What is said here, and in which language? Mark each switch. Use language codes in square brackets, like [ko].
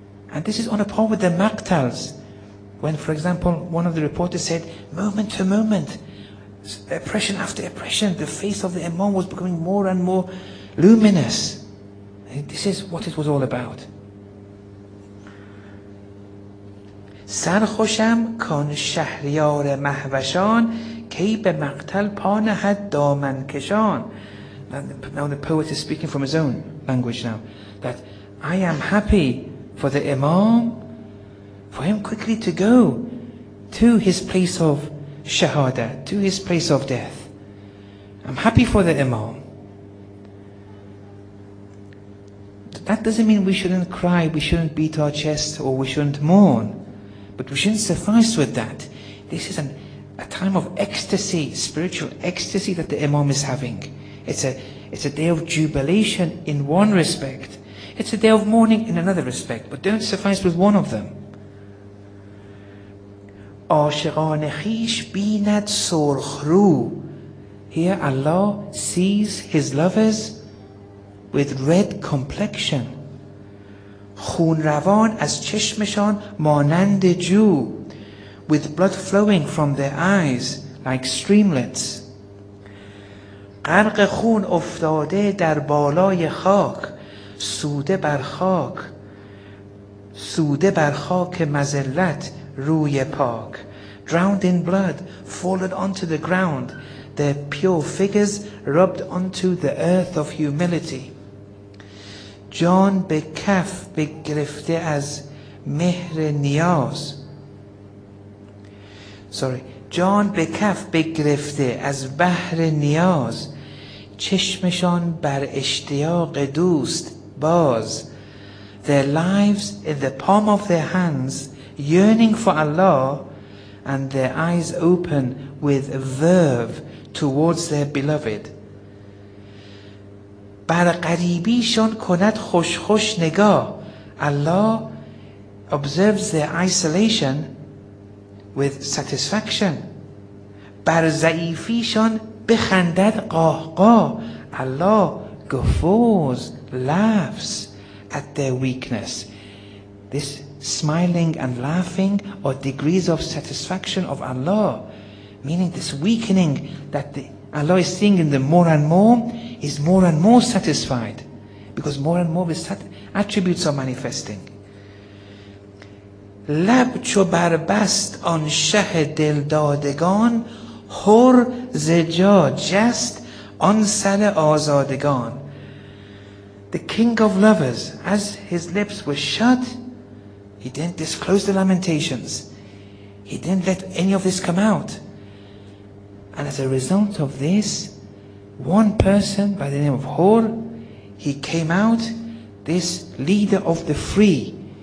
[en] And this is on a par with the Maqtals. When, for example, one of the reporters said, moment to moment, oppression after oppression, the face of the Imam was becoming more and more luminous. And this is what it was all about. [fa] سرخوشم کن شهریار مهوشان کی به مقتل پانهد دامن کشان. [en] Now the poet is speaking from his own language now, that I am happy for the Imam, for him quickly to go to his place of Shahada, to his place of death. I'm happy for the Imam. That doesn't mean we shouldn't cry, we shouldn't beat our chest, or we shouldn't mourn. But we shouldn't suffice with that. This is a time of ecstasy, spiritual ecstasy that the Imam is having. It's a day of jubilation in one respect. It's a day of mourning in another respect. But don't suffice with one of them. [fa] عاشقان خیش بیند سرخ رو. [en] Here Allah sees His lovers with red complexion. [fa] خون روان از چشمشان مانند جو. [en] With blood flowing from their eyes like streamlets. [fa] غرق خون افتاده در بالای خاک. سوده بر خاک. سوده بر خاک مذلت روی پاک. [en] Drowned in blood, fallen onto the ground, their pure figures rubbed onto the earth of humility. [fa] جان به کف بگرفته از مهر نیاز. جان به کف بگرفته از بحر نیاز. چشمشان بر اشتیاق دوست باز. [en] Their lives in the palm of their hands, yearning for Allah, and their eyes open with verve towards their beloved. [fa] بر قریبی شان کند خوش خوش نگاه. [en] Allah observes their isolation with satisfaction. [fa] بر ضعیفی شان بخندد قاه قاه. [en] Allah guffaws, laughs at their weakness. This smiling and laughing are degrees of satisfaction of Allah, meaning this weakening that Allah is seeing in them more and more is more and more satisfied, because more and more of his attributes are manifesting. [fa] لب چو بربست آن شه دلدادگان هر زجا جست آن سر آزادگان. [en] The king of lovers, as his lips were shut, he didn't disclose the lamentations. He didn't let any of this come out. And as a result of this, one person by the name of Hur, he came out, this leader of the free.